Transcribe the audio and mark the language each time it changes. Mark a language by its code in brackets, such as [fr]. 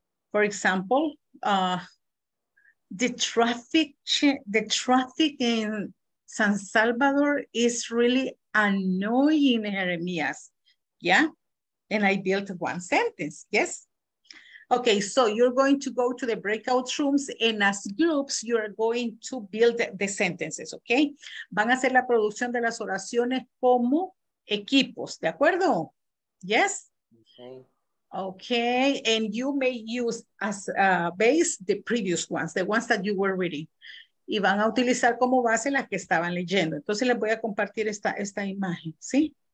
[en] For example, the traffic in San Salvador is really annoying, Jeremias. Yeah. And I built one sentence. Yes. Okay, so you're going to go to the breakout rooms and as groups, you're going to build the sentences, okay? [es] Van a hacer la producción de las oraciones como equipos, ¿de acuerdo? [en] Yes? Okay. Okay, and you may use as a base the previous ones, the ones that you were reading. [es] Y van a utilizar como base las que estaban leyendo. Entonces les voy a compartir esta imagen, ¿sí?